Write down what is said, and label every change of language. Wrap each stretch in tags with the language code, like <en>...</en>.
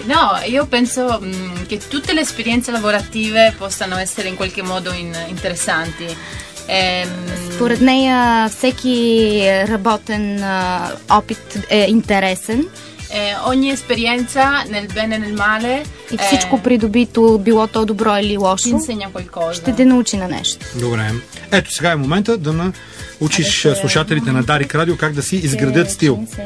<it>No, io penso che tutte le esperienze lavorative possano essere in qualche modo interessanti.</it> <bg>Според нея всеки работен опит е интересен.</bg> <it>Ogni esperienza nel bene e nel male.</it> <bg>И всичко придобито, било то добро или лошо, ще те научи на нещо. Добре. Ето сега е момента да научиш слушателите на Дарик Радио как да си изградят стил.</bg>